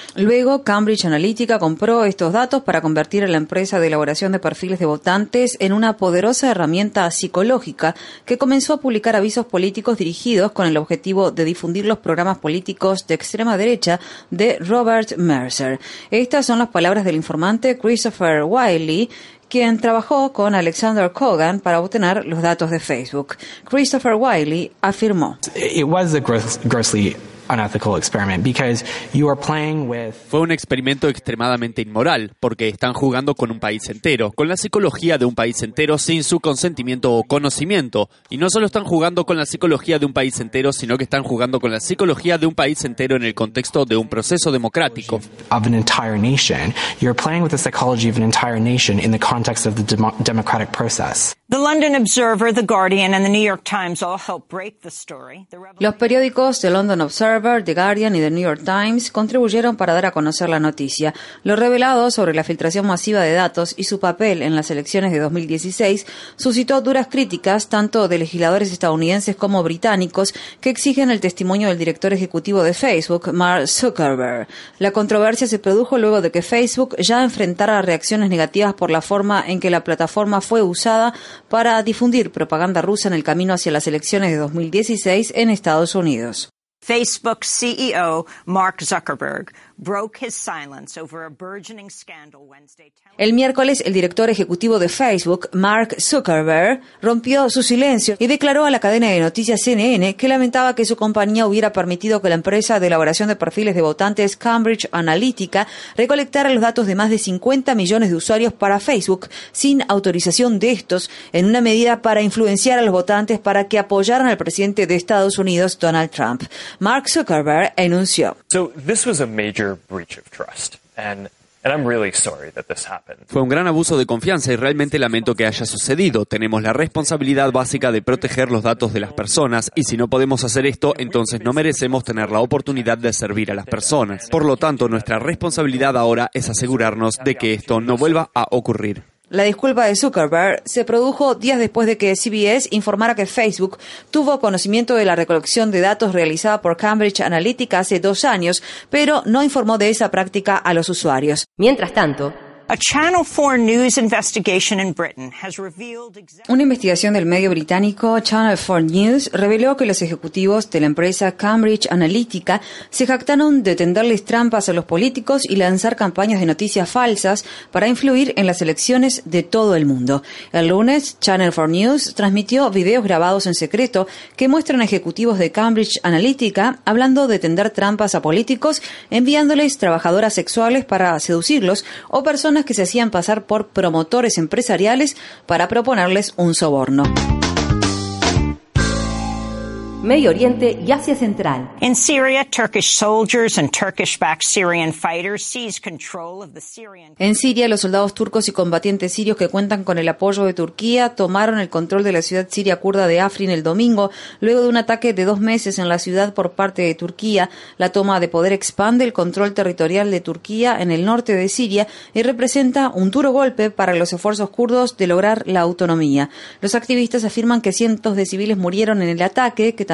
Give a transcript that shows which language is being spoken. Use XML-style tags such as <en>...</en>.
<es>Luego, Cambridge Analytica compró estos datos para convertir a la empresa de elaboración de perfiles de votantes en una poderosa herramienta psicológica que comenzó a publicar avisos políticos dirigidos con el objetivo de difundir los programas políticos de extrema derecha de Robert Mercer. Estas son las palabras del informante Christopher Wiley, quien trabajó con Alexander Colgan para obtener los datos de Facebook. Christopher Wiley afirmó:</es> <en>"It was a grossly unethical experiment because you are playing with..."</en> <es>Fue un experimento extremadamente inmoral porque están jugando con un país entero, con la psicología de un país entero sin su consentimiento o conocimiento. Y no solo están jugando con la psicología de un país entero, sino que están jugando con la psicología de un país entero en el contexto de un proceso democrático.</es> <en>Of an entire nation. You're playing with the psychology of an entire nation in the context of the democratic process. The London Observer, The Guardian and The New York Times all helped break the story.</en> <es>Los periódicos de London Observer, The Guardian y The New York Times contribuyeron para dar a conocer la noticia. Lo revelado sobre la filtración masiva de datos y su papel en las elecciones de 2016 suscitó duras críticas tanto de legisladores estadounidenses como británicos que exigen el testimonio del director ejecutivo de Facebook, Mark Zuckerberg. La controversia se produjo luego de que Facebook ya enfrentara reacciones negativas por la forma en que la plataforma fue usada para difundir propaganda rusa en el camino hacia las elecciones de 2016 en Estados Unidos.</es> <en>Facebook CEO Mark Zuckerberg broke his silence over a burgeoning scandal Wednesday.</en> <es>El miércoles, el director ejecutivo de Facebook, Mark Zuckerberg, rompió su silencio y declaró a la cadena de noticias CNN que lamentaba que su compañía hubiera permitido que la empresa de elaboración de perfiles de votantes Cambridge Analytica recolectara los datos de más de 50 millones de usuarios para Facebook sin autorización de estos, en una medida para influenciar a los votantes para que apoyaran al presidente de Estados Unidos, Donald Trump. Mark Zuckerberg enunció:</es> <en>"So this was a major breach of trust, and I'm really sorry that this happened.</en> <es>Fue un gran abuso de confianza y realmente lamento que haya sucedido. Tenemos la responsabilidad básica de proteger los datos de las personas y si no podemos hacer esto, entonces no merecemos tener la oportunidad de servir a las personas. Por lo tanto, nuestra responsabilidad ahora es asegurarnos de que esto no vuelva a ocurrir." La disculpa de Zuckerberg se produjo días después de que CBS informara que Facebook tuvo conocimiento de la recolección de datos realizada por Cambridge Analytica hace 2 años, pero no informó de esa práctica a los usuarios. Mientras tanto,</es> <en>a Channel 4 News investigation in Britain has revealed exactly...</en> <es>Una investigación del medio británico Channel 4 News reveló que los ejecutivos de la empresa Cambridge Analytica se jactaron de tenderles trampas a los políticos y lanzar campañas de noticias falsas para influir en las elecciones de todo el mundo. El lunes, Channel 4 News transmitió videos grabados en secreto que muestran ejecutivos de Cambridge Analytica hablando de tender trampas a políticos, enviándoles trabajadoras sexuales para seducirlos o personas que se hacían pasar por promotores empresariales para proponerles un soborno. Medio Oriente y Asia Central.</es> <en>In Syria, Turkish soldiers and Turkish-backed Syrian fighters seize control of the Syrian...</en> <es>En Siria, los soldados turcos y combatientes sirios que cuentan con el apoyo de Turquía tomaron el control de la ciudad siria kurda de Afrin el domingo, luego de un ataque de 2 meses en la ciudad por parte de Turquía. La toma de poder expande el control territorial de Turquía en el norte de Siria y representa un duro golpe para los esfuerzos kurdos de lograr la autonomía. Los activistas afirman que cientos de civiles murieron en el ataque, que</es>